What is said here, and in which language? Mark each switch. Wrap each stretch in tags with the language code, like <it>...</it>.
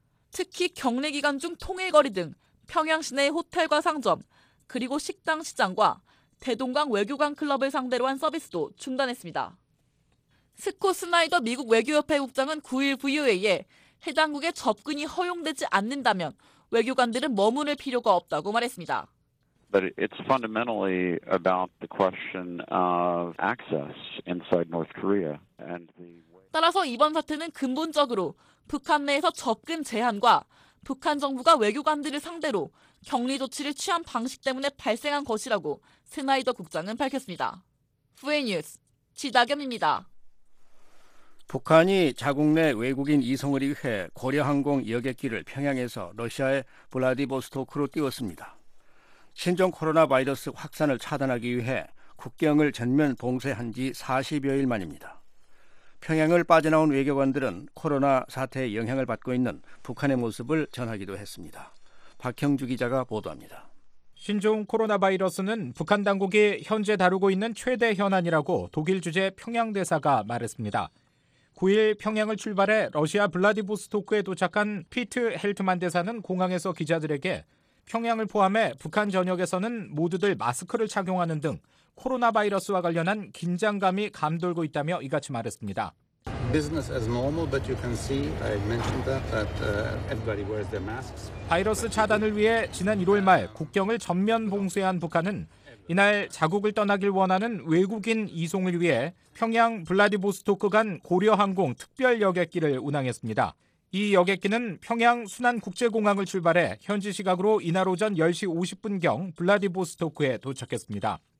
<ko>특히 격리 기간 중 통일 거리 등 평양 시내의 호텔과 상점, 그리고 식당 시장과 대동강 외교관 클럽을 상대로 한 서비스도 중단했습니다. 스콧 스나이더 미국 외교협회 국장은 9일 VOA에 해당국에 접근이 허용되지 않는다면 외교관들은 머무를 필요가 없다고 말했습니다.</ko> <en>But it's fundamentally about the question of access inside North Korea and the</en> <ko>따라서 이번 사태는 근본적으로 북한 내에서 접근 제한과 북한 정부가 외교관들을 상대로 격리 조치를 취한 방식 때문에 발생한 것이라고 스나이더 국장은 밝혔습니다. 후에 뉴스 지다겸입니다. 북한이 자국 내 외국인 이송을 위해 고려항공 여객기를 평양에서 러시아의 블라디보스토크로 띄웠습니다. 신종 코로나 바이러스 확산을 차단하기 위해 국경을 전면 봉쇄한 지 40여일 만입니다. 평양을 빠져나온 외교관들은 코로나 사태의 영향을 받고 있는 북한의 모습을 전하기도 했습니다. 박형주 기자가 보도합니다. 신종 코로나 바이러스는 북한 당국이 현재 다루고 있는 최대 현안이라고 독일 주재 평양대사가 말했습니다. 9일 평양을 출발해 러시아 블라디보스토크에 도착한 피트 헬트만 대사는 공항에서 기자들에게 평양을 포함해 북한 전역에서는 모두들 마스크를 착용하는 등 코로나 바이러스와 관련한 긴장감이 감돌고 있다며 이같이 말했습니다.</ko> <en>Business as normal, but you can see, I mentioned that everybody wears their masks.</en> <ko>바이러스 차단을 위해 지난 1월 말 국경을 전면 봉쇄한 북한은 이날 자국을 떠나길 원하는 외국인 이송을 위해 평양 블라디보스토크 간 고려항공 특별 여객기를 운항했습니다. 이 여객기는 평양 순안국제공항을 출발해 현지 시각으로 이날 오전 10시 50분경 블라디보스토크에 도착했습니다.</ko>